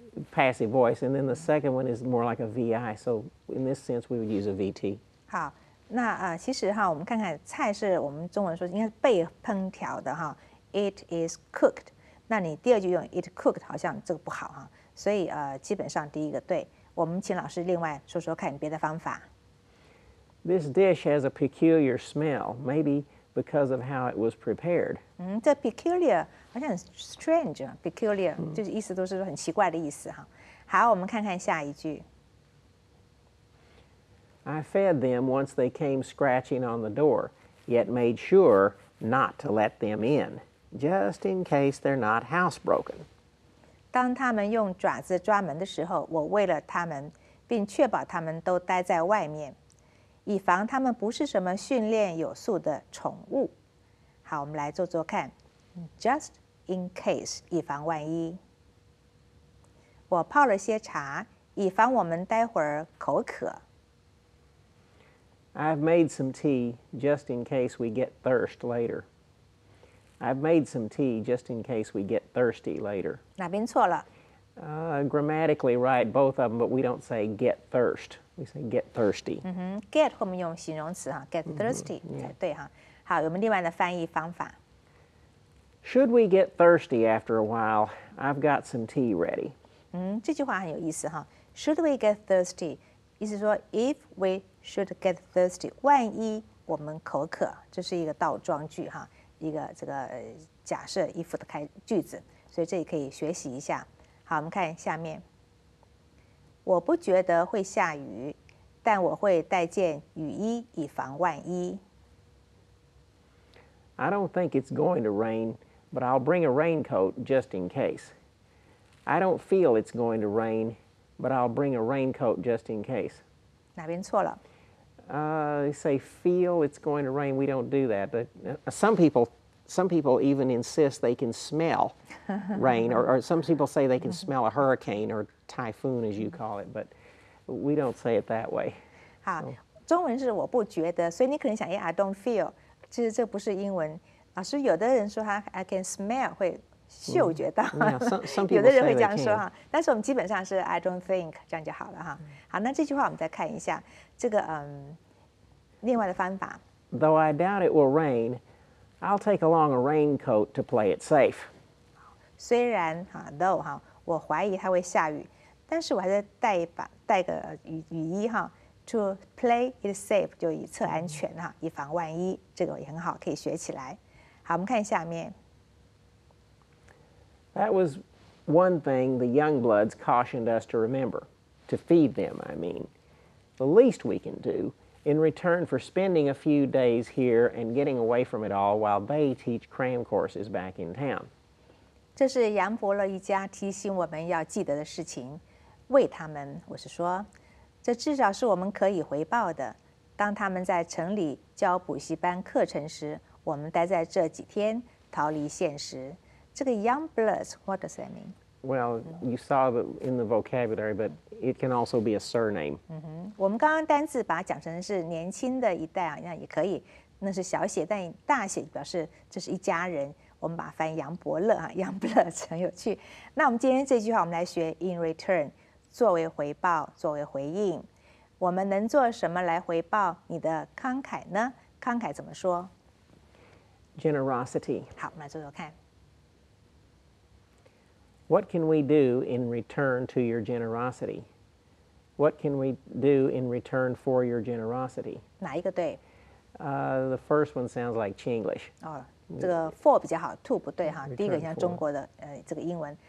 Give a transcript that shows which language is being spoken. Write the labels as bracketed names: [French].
[English] Passive voice, and then the second one is more like a VI. So in this sense, we would use a VT. [Chinese] 好，那其实哈，我们看看菜是我们中文说应该是被烹调的哈 ， [English] it is cooked。 [Chinese] 那你第二句用 [English] it cooked [Chinese] 好像这个不好哈，所以基本上第一个对。我们请老师另外说说看别的方法。 [English] This dish has a peculiar smell, maybe because of how it was prepared. [Chinese] 嗯，这 peculiar 好像很 strange， peculiar 就是意思都是很奇怪的意思哈。好，我们看看下一句。 [English] I fed them once they came scratching on the door, yet made sure not to let them in, just in case they're not housebroken. [Chinese] 当他们用爪子抓门的时候，我喂了他们，并确保他们都待在外面，以防他们不是什么训练有素的宠物。好，我们来做做看。 [English] Just in case, [Chinese] 以防万一。我泡了些茶，以防我们待会儿口渴。 [English] I've made some tea just in case we get thirst later. I've made some tea just in case we get thirsty later. [Chinese] 哪边错了？ [English] Grammatically right, both of them, but we don't say get thirst. We say get thirsty. [Chinese] 嗯哼 ，get 后面用形容词哈 ， [English] get thirsty [Chinese] 才对哈。好，有没有另外的翻译方法 [English] ？Should we get thirsty after a while? I've got some tea ready. [Chinese] 嗯，这句话很有意思哈。 [English] Should we get thirsty? [Chinese] 意思说 [English] if we should get thirsty， [Chinese] 万一我们口渴，这是一个倒装句哈，一个这个假设 if 的开句子，所以这里可以学习一下。好，我们看下面。我不觉得会下雨，但我会带件雨衣以防万一。 [English] I don't think it's going to rain, but I'll bring a raincoat just in case. I don't feel it's going to rain, but I'll bring a raincoat just in case. 哪边错了？ They say feel it's going to rain. We don't do that, but some people even insist they can smell rain, or some people say they can smell a hurricane or typhoon, as you call it. But we don't say it that way. [Chinese] 好，中文是我不觉得，所以你可能想，哎 ， [English] I don't feel。 [Chinese] 其实这不是英文。老师，有的人说他 [English] I can smell [Chinese] 会嗅觉到，有的人会这样说哈，但是我们基本上是 [English] I don't think [Chinese] 这样就好了哈。好，那这句话我们再看一下这个另外的方法。 [English] Though I doubt it will rain, I'll take along a raincoat to play it safe. [Chinese] 虽然哈 though 哈，我怀疑它会下雨，但是我还是带个雨衣哈 ， [English] to play it safe [Chinese] 就以测安全哈，以防万一，这个也很好，可以学起来。好，我们看下面。 [English] That was one thing the young bloods cautioned us to remember, to feed them, I mean. The least we can do, in return for spending a few days here and getting away from it all while they teach cram courses back in town. [Chinese] 这是杨伯乐一家提醒我们要记得的事情，喂他们，我是说，这至少是我们可以回报的。当他们在城里教补习班课程时，我们待在这几天，逃离现实。这个 [English] young bloods, what does that mean? Well, you saw it in the vocabulary, but it can also be a surname. [Chinese] 我们刚刚单字把它讲成是年轻的一代啊，那也可以，那是小写，但大写表示这是一家人。我们把它翻杨伯乐啊 ，young bloods 很有趣。那我们今天这句话，我们来学 in return， 作为回报，作为回应。我们能做什么来回报你的慷慨呢？慷慨怎么说 [English] ？Generosity。 [Chinese] 好，我们来做做看。 [English] What can we do in return to your generosity? What can we do in return for your generosity? [Chinese] 哪一个对？ [English] The first one sounds like Chinglish. [Chinese] 哦，这个 for 比较好 ，to 不对哈。第一个像中国的这个英文。